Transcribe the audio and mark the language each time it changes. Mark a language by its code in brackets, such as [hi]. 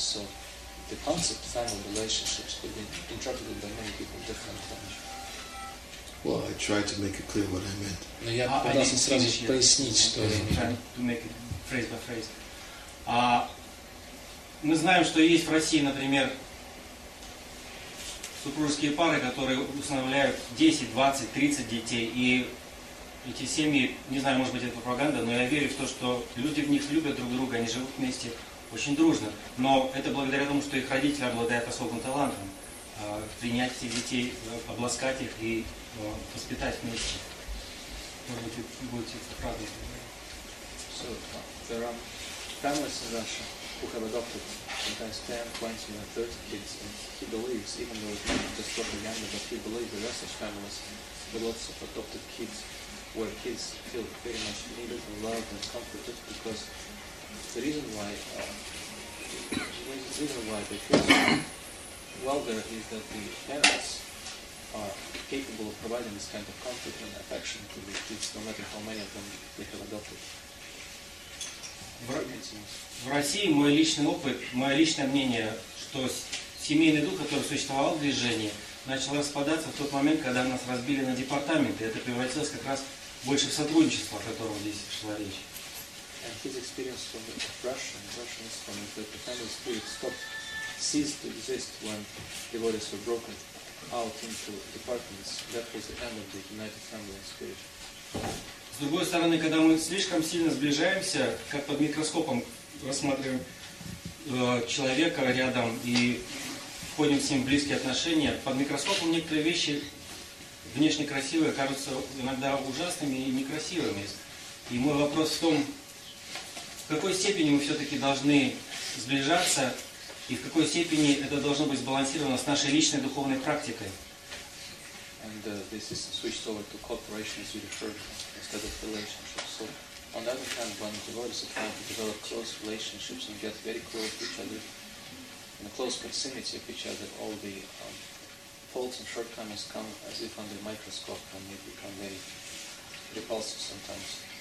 [en] So the concept of family relationships could be interpreted by many people differently. Well, I tried to make it clear what I meant. [ru] Но я пытался сразу пояснить, что я имею. [en] Make it phrase by phrase. [ru] Мы знаем, что есть в России, например, супружеские пары, которые усыновляют 10, 20, 30 детей, и эти семьи, не знаю, может быть, это пропаганда, но я верю в то, что люди в них любят друг друга, они живут вместе очень дружно. Но это благодаря тому, что их родители обладают особым талантом принять этих детей, обласкать их и воспитать вместе. Может быть, вы будете правы. [en] So, there are families in Russia who have adopted sometimes 10, 20, or 30 kids, and he believes, even though it's not just propaganda, but he believes the Russian families with lots of adopted kids, where kids feel very much needed and loved and comforted, because the reason why they feel well there is that the parents are capable of providing this kind of comfort and affection to the kids, no matter how many of them they have adopted. [ru] В России мой личный опыт, мое личное мнение, что семейный дух, который существовал в движении, начал распадаться в тот момент, когда нас разбили на департаменты. Это превратилось как раз больше в сотрудничество, о котором здесь шла речь. [en] And his experience from the Russian is from that the family spirit ceased to exist when the borders were broken out into departments. That was the end of the United Family Spirit. [ru] С другой стороны, когда мы слишком сильно сближаемся, как под микроскопом рассматриваем человека рядом и входим с ним в близкие отношения, под микроскопом некоторые вещи внешне красивые кажутся иногда ужасными и некрасивыми. И мой вопрос в том, в какой степени мы все-таки должны сближаться и в какой степени это должно быть сбалансировано с нашей личной духовной практикой. [en] And this is switched over to cooperation, as you referred, instead of relationships. So, on the other hand, when devotees are trying to develop close relationships and get very close to each other, in a close proximity of each other, all the faults and shortcomings come as if under a microscope, and they become very repulsive sometimes.